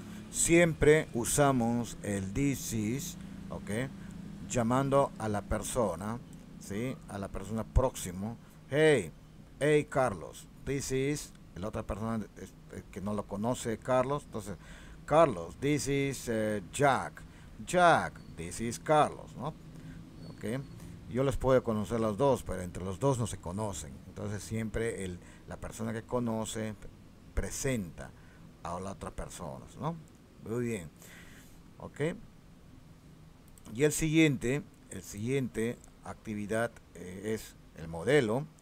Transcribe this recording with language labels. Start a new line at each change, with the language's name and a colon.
Spanish: Siempre usamos el
English: this is,
Spanish: ¿ok? Llamando a la persona, ¿sí? A la persona próximo.
English: Hey,
Spanish: Carlos.
English: This is,
Spanish: la otra persona que no lo conoce, Carlos. Entonces,
English: Carlos, this is Jack. Jack, this is Carlos,
Spanish: ¿no?
English: Ok.
Spanish: Yo les puedo conocer los dos, pero entre los dos no se conocen. Entonces, siempre la persona que conoce presenta a la otra persona, ¿no? Muy bien. Ok. Y el siguiente actividad es el modelo.